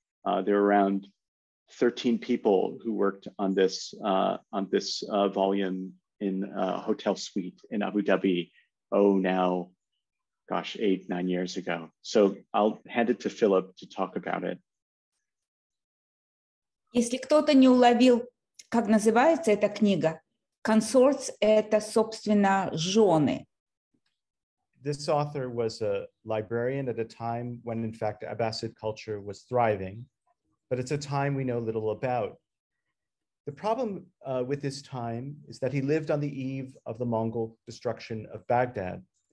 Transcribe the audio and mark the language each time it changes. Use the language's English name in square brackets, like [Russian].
[English] There were around 13 people who worked on this volume in a hotel suite in Abu Dhabi, eight, 9 years ago. So I'll hand it to Philip to talk about it. [Russian] Если кто-то не уловил, как называется эта книга, Consorts — это, собственно, жены. [English] This author was a librarian at a time when, in fact, Abbasid culture was thriving, but it's a time we know little about. The problem with this time is that he lived on the eve of the Mongol destruction of Baghdad.